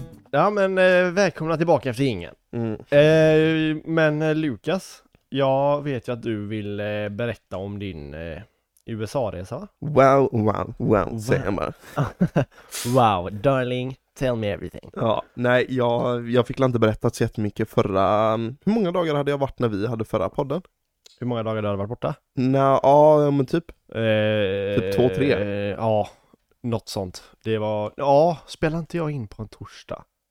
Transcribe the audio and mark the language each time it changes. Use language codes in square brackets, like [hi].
[sv] Ja, men välkomna tillbaka efter ingen. Mm. Men Lukas... Jag vet ju att du vill berätta om din USA-resa, va? [en] Wow, wow, wow, Samer. Wow, darling, tell me everything. [sv] Ja, nej, jag fick inte berätta så jättemycket förra... Hur många dagar hade jag varit när vi hade förra podden? Hur många dagar du hade varit borta? Nå, ja, men typ. Typ två, tre. Ja, något sånt. Det var... Ja, spelade inte jag in på en torsdag?